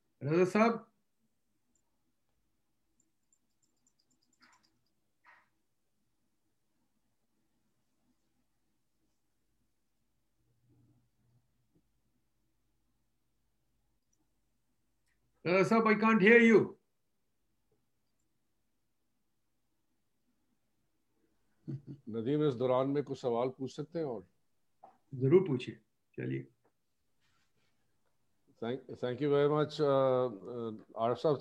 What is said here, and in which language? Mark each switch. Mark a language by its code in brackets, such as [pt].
[en] राधा साहब, sir, I can't hear you. [hi] Nadeem, इस दौरान में कुछ सवाल पूछ सकते हैं? और जरूर पूछिए. चलिए. [en] Thank you very much, Arif sir.